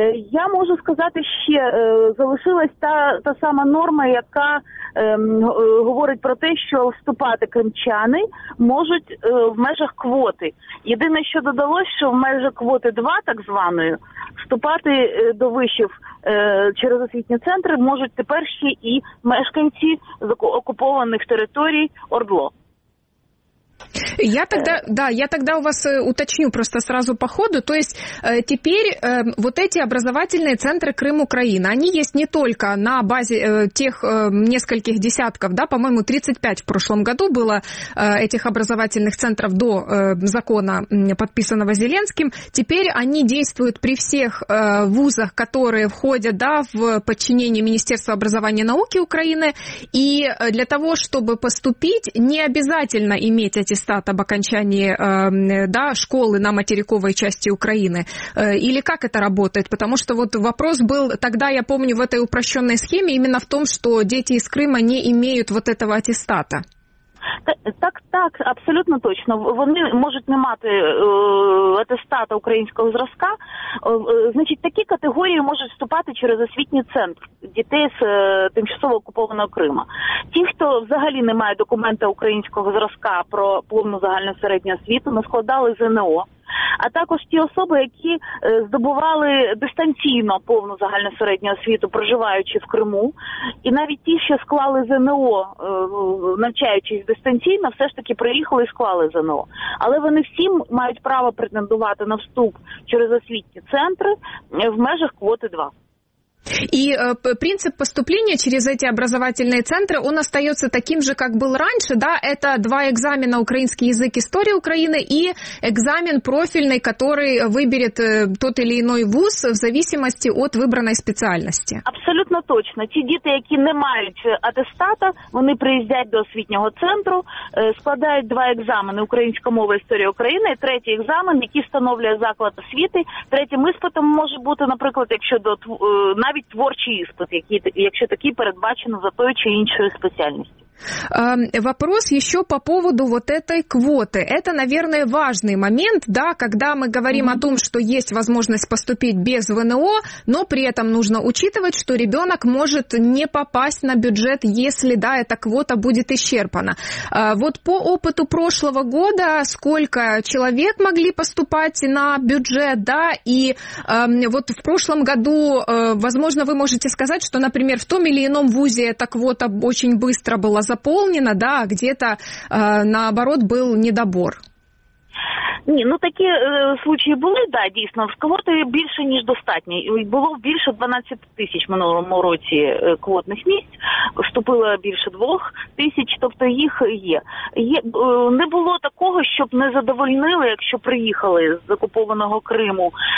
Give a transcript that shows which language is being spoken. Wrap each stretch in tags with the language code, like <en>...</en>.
<uk>Я можу сказати, ще залишилась та сама норма, яка говорить про те, що вступати кримчани можуть в межах квоти. Єдине, що додалось, що в межах квоти 2, так званої, вступати до вишів через освітні центри можуть тепер ще і мешканці окупованих територій ОРДЛО.</uk> <ru>Я тогда у вас уточню просто сразу по ходу. То есть теперь вот эти образовательные центры Крым-Украина, они есть не только на базе тех нескольких десятков, да, по-моему, 35 в прошлом году было этих образовательных центров до закона, подписанного Зеленским. Теперь они действуют при всех вузах, которые входят, да, в подчинение Министерства образования и науки Украины. И для того, чтобы поступить, не обязательно иметь эти стат об окончании школы на материковой части Украины? Или как это работает? Потому что вот вопрос был тогда, я помню, в этой упрощенной схеме именно в том, что дети из Крыма не имеют вот этого аттестата.</ru> <uk>Так, абсолютно точно. Вони можуть не мати атестата українського зразка. Значить, такі категорії можуть вступати через освітній центр дітей з тимчасово окупованого Криму. Ті, хто взагалі не має документа українського зразка про повну загальну середню освіту, не складали ЗНО. А також ті особи, які здобували дистанційно повну загальну середню освіту, проживаючи в Криму, і навіть ті, що склали ЗНО, навчаючись дистанційно, все ж таки приїхали і склали ЗНО. Але вони всі мають право претендувати на вступ через освітні центри в межах квоти 2.</uk> <ru>И принцип поступления через эти образовательные центры, он остается таким же, как был раньше, да, это два экзамена украинский язык, история Украины и экзамен профильный, который выберет тот или иной вуз в зависимости от выбранной специальности.</ru> <uk>Абсолютно точно. Ті діти, які не мають атестата, вони приїздять до освітнього центру, складають два екзамени українська мова, історія України, і третій екзамен, який встановлює заклад освіти. Третім іспитом може бути, наприклад, якщо до навіть творчий іспит, якщо такий передбачено за тою чи іншою спеціальністю.</uk> <ru>Вопрос еще по поводу вот этой квоты. Это, наверное, важный момент, да, когда мы говорим о том, что есть возможность поступить без ВНО, но при этом нужно учитывать, что ребенок может не попасть на бюджет, если, да, эта квота будет исчерпана. Вот по опыту прошлого года, сколько человек могли поступать на бюджет, да, и вот в прошлом году, возможно, вы можете сказать, что, например, в том или ином вузе эта квота очень быстро была заповнена, да, где-то наоборот был недобор.</ru> <uk>Ні, ну такі случаї були, да, дійсно, з квотою більше, ніж достатньо. Було більше 12 тисяч минулому році квотних місць, вступило більше 2 тисяч, тобто їх є. Не було такого, щоб не задовольнили, якщо приїхали з окупованого Криму.</uk>